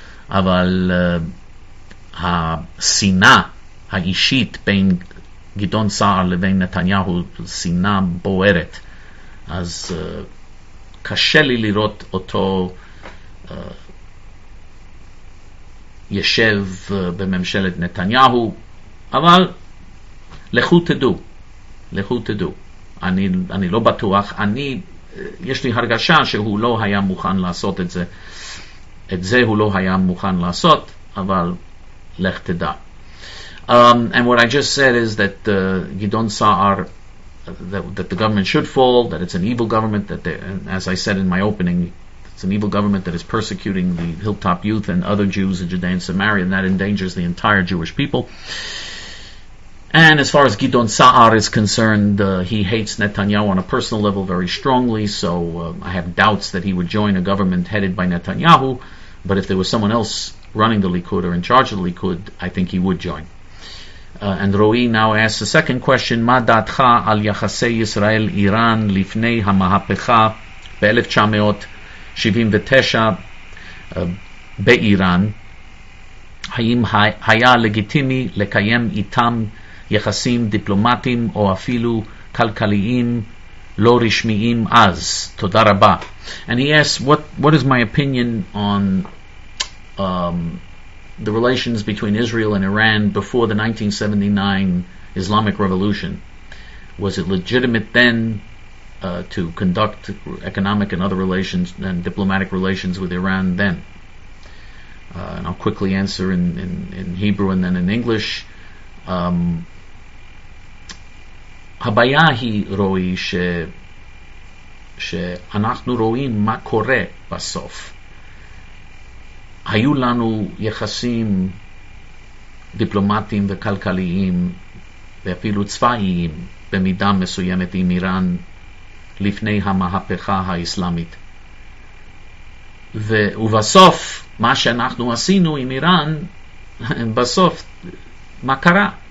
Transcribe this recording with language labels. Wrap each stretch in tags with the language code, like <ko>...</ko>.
<he>אבל השנאה האישית בין גדעון סער לבין נתניהו, שנאה בוערת, אז קשה לי לראות אותו ישב בממשלת נתניהו. אבל לכו תדעו, אני לא בטוח. יש לי הרגשה שהוא לא היה מוכן לעשות את זה. את זה הוא לא היה מוכן לעשות, אבל לך תדע.</he> <en>And what I just said is that Gidon Sa'ar, that the government should fall, that it's an evil government, that as I said in my opening, it's an evil government that is persecuting the Hilltop Youth and other Jews in Judea and Samaria, and that endangers the entire Jewish people. And as far as Gidon Sa'ar is concerned, he hates Netanyahu on a personal level very strongly, so I have doubts that he would join a government headed by Netanyahu, but if there was someone else running the Likud or in charge of the Likud, I think he would join. And Roi now asks the second question,</en> <he>מה דעתך על יחסי ישראל-איראן לפני המהפכה ב-1979 באיראן? האם היה לגיטימי לקיים איתם יחסים דיפלומטיים או אפילו כלכליים לא רשמיים אז? תודה רבה.</he> <en>And he asks, what is my opinion on the relations between Israel and Iran before the 1979 Islamic Revolution? Was it legitimate then to conduct economic and other relations and diplomatic relations with Iran then? And I'll quickly answer in Hebrew and then in English.</en> <he>הבעיה היא, רואי, שאנחנו רואים מה קורה בסוף. היו לנו יחסים דיפלומטיים וכלכליים ואפילו צבאיים במידה מסוימת עם איראן לפני המהפכה האסלאמית, ובסוף מה שאנחנו עשינו עם איראן, בסוף מה קרה?</he>